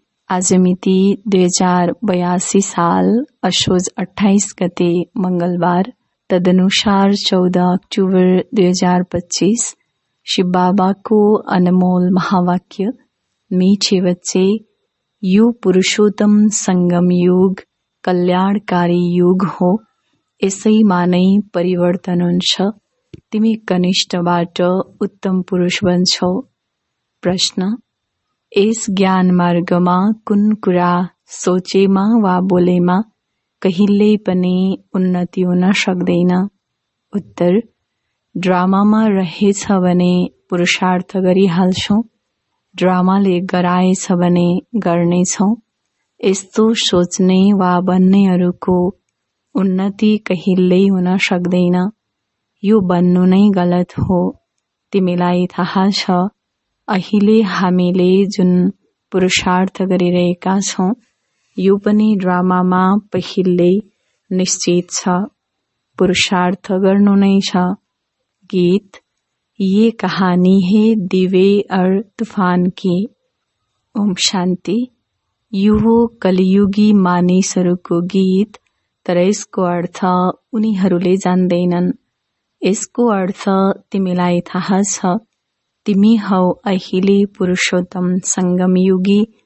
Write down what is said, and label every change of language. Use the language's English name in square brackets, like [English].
[Nepali] आज मिति 2082 साल अशोज 28 गते मंगलवार, तदनुसार 14 अक्टूबर 2025। शिव बाबा को अनमोल महावाक्य मी छे वच्चे, यु पुरुषोत्तम संगम युग कल्याणकारी युग हो, यसै मानै परिवर्तन हुन्छ, तिमी कनिष्ठबाट उत्तम पुरुष बन्छौ। प्रश्न: यस ज्ञान मार्गमा कुन कुरा सोचेमा वा बोलेमा कहिले पनि उन्नति हुन सक्दैन? उत्तर: ड्रामामा रहेछ भने पुरुषार्थ गरिहाल्छौ, ड्रामाले गराएछ भने गर्नेछौ। यस्तो सोच्ने वा बन्नेहरूको उन्नति कहिले हुन सक्दैन, यो बन्नु नै गलत हो। तिमीलाई थाहा छ, अहिले हामीले जुन पुरुषार्थ गरिरहेका छौँ यो पनि ड्रामामा पहिले निश्चित छ, पुरुषार्थ गर्नु नै छ। [Hindi] गीत: ये कहानी है दिवे और तूफान की। [Nepali] ओम शांति। यो कलियुगी मानिसहरूको गीत, तर यसको अर्थ उनीहरूले जान्दैनन्। यसको अर्थ तिमीलाई थाहा छ, तिमी हौ अहिले पुरुषोत्तम संगमयुगी।